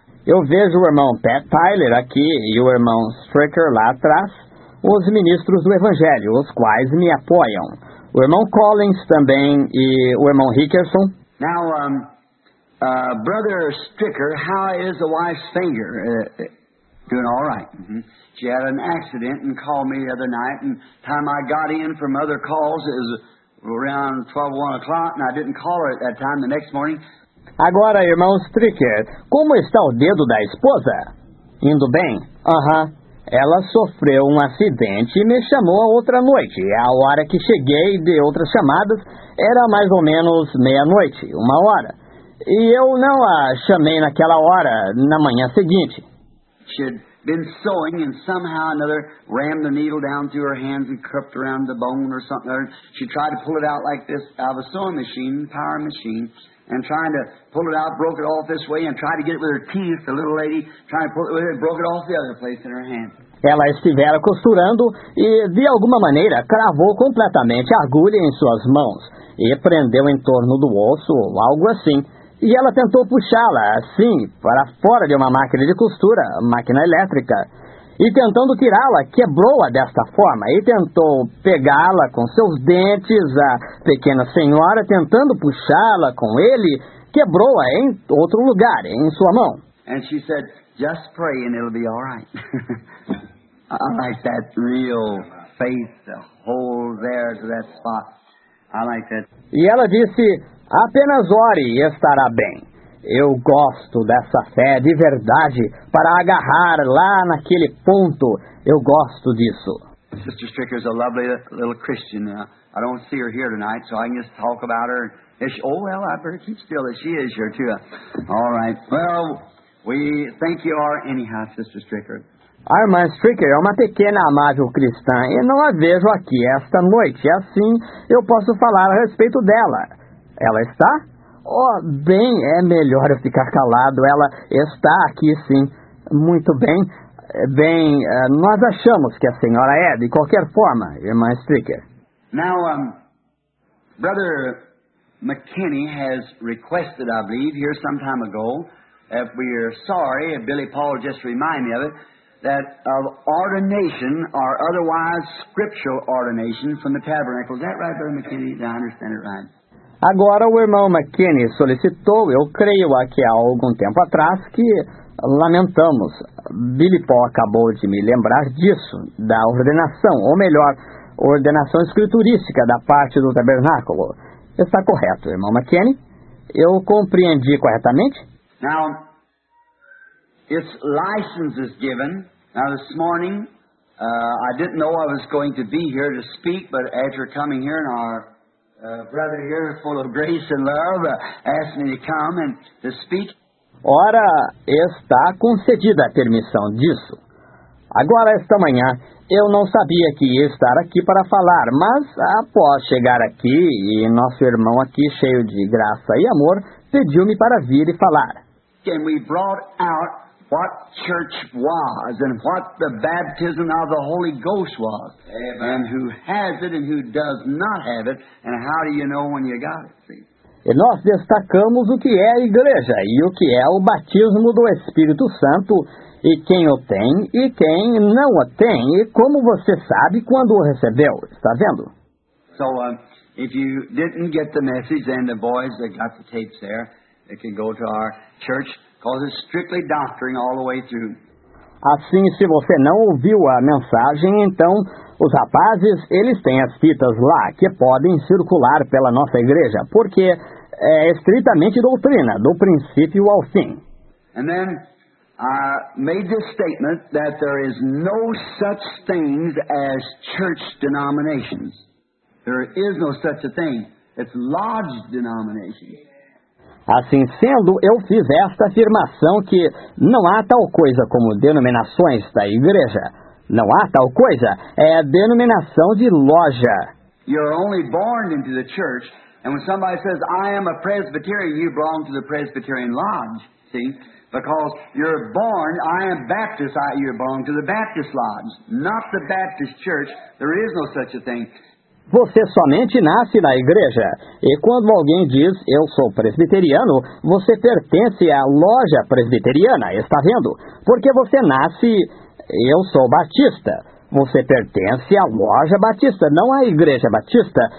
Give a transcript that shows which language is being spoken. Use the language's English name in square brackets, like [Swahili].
[Portuguese] Eu vejo o irmão Pat Tyler aqui e o irmão Stricker lá atrás, os ministros do Evangelho, os quais me apoiam. O irmão Collins também e o irmão Hickerson. [English] Now, Brother Stricker, how is the wife's finger? Doing all right. Mm-hmm. She had an accident and called me the other night, and the time I got in from other calls, it was around 12, 1 o'clock, and I didn't call her at that time the next morning. [Portuguese] Agora, irmão Stricker, como está o dedo da esposa? Indo bem? Aham. Ela sofreu um acidente e me chamou a outra noite. A hora que cheguei de outras chamadas era mais ou menos meia-noite, uma hora. E eu não a chamei naquela hora, na manhã seguinte. [English] She had been sewing and somehow another rammed the needle down through her hands and crept around the bone or something. Or she tried to pull it out like this out of a sewing machine, power machine. And trying to pull it out, broke it off this way, and tried to get it with her teeth, the little lady, trying to pull it with it, broke it off the other place in her hand. [Portuguese] Ela estivera costurando e, de alguma maneira, cravou completamente a agulha em suas mãos e prendeu em torno do osso ou algo assim. E ela tentou puxá-la, assim, para fora de uma máquina de costura, máquina elétrica. E tentando tirá-la, quebrou-a desta forma e tentou pegá-la com seus dentes. A pequena senhora, tentando puxá-la com ele, quebrou-a em outro lugar, em sua mão. [English] And she said, just pray and it'll be all right. I like that real faith, the hole there to that spot. I like that. [Portuguese] E ela disse, apenas ore e estará bem. Eu gosto dessa fé de verdade para agarrar lá naquele ponto. Eu gosto disso. [English] Sister Stricker is a lovely little Christian. I don't see her here tonight, so I can just talk about her. She, oh, well, I better keep still that she is here, too. All right. Well, we thank you all anyhow, Sister Stricker. [Portuguese] A irmã Stricker é uma pequena amável cristã e não a vejo aqui esta noite. Assim, eu posso falar a respeito dela. Ela está? Oh, bem, é melhor eu ficar calado. Ela está aqui, sim. Muito bem. Bem, nós achamos que a senhora é, de qualquer forma, irmã Stricker. [English] Now, Brother McKinney has requested, I believe, here some time ago, if we are sorry, if Billy Paul just reminded me of it, that of ordination, or otherwise scriptural ordination, from the tabernacle. Is that right, Brother McKinney? Do I understand it right? [Portuguese] Agora, o irmão McKinney solicitou, eu creio aqui há algum tempo atrás, que lamentamos. Billy Paul acabou de me lembrar disso, da ordenação, ou melhor, ordenação escriturística da parte do tabernáculo. Está correto, irmão McKinney? Eu compreendi corretamente? [English] Now, its license is given. Now, this morning, I didn't know I was going to be here to speak, but after coming here in our... brother here, full of grace and love, asked me to come and to speak. [Portuguese] Ora, está concedida a permissão disso. Agora, esta manhã, eu não sabia que ia estar aqui para falar, mas após chegar aqui, e nosso irmão aqui, cheio de graça e amor, pediu-me para vir e falar. [English] And we brought out what church was and what the baptism of the Holy Ghost was. Amen. And who has it and who does not have it, and how do you know when you got it, see? [Portuguese] E nós destacamos o que é a igreja e o que é o batismo do Espírito Santo, e quem o tem e quem não o tem, e como você sabe quando o recebeu, está vendo? [English] So, if you didn't get the message, then the boys that got the tapes there, they can go to our church. Because it's strictly doctrine all the way through. [Portuguese] Assim, se você não ouviu a mensagem, então, os rapazes, eles têm as fitas lá, que podem circular pela nossa igreja, porque é estritamente doutrina, do princípio ao fim. [English] And then, I made this statement that there is no such thing as church denominations. There is no such a thing. It's lodge denominations. [Portuguese] Assim sendo, eu fiz esta afirmação que não há tal coisa como denominações da igreja. Não há tal coisa. É a denominação de loja. [English] You're only born into the church, And when somebody says, I am a Presbyterian, you belong to the Presbyterian Lodge, see? Because you're born, I am Baptist, you belong to the Baptist Lodge, not the Baptist Church. There is no such a thing. [Portuguese] Você somente nasce na igreja. E quando alguém diz, eu sou presbiteriano, você pertence à loja presbiteriana, está vendo? Porque você nasce, eu sou batista. Você pertence à loja batista, não à igreja batista.